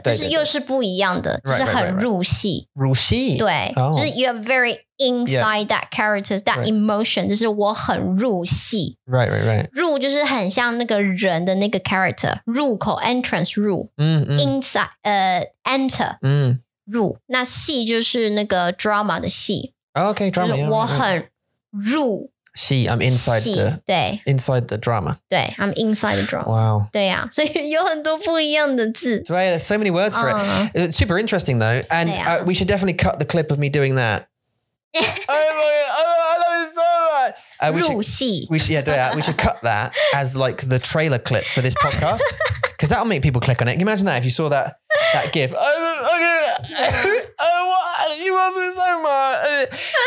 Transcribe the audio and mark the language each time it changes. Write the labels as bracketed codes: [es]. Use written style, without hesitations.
[zh] 就是又是不一样的，就是很入戏。入戏? 对，就是 [en] you are very inside that character, that emotion, [zh] 就是我很入戏。入就是很像那个人的那个 [en] character, [zh] 入口, [en] entrance, [zh] 入, [en] inside, enter, [zh] 入, 那戏就是那个 drama 的戏。 [en] Okay, drama, [zh] 就是我很入。 [en] See, I'm inside the drama. [zh] 对, [en] I'm inside the drama. Wow. [zh] 对啊, 所以有很多不一样的字。对, [en] there's so many words for it. It's super interesting though. And we should definitely cut the clip of me doing that. I love it so much. [zh] 入戏。 [en] We should cut that as like the trailer clip for this podcast. Because that'll make people click on it. Can you imagine that if you saw that gif? He loves me so much.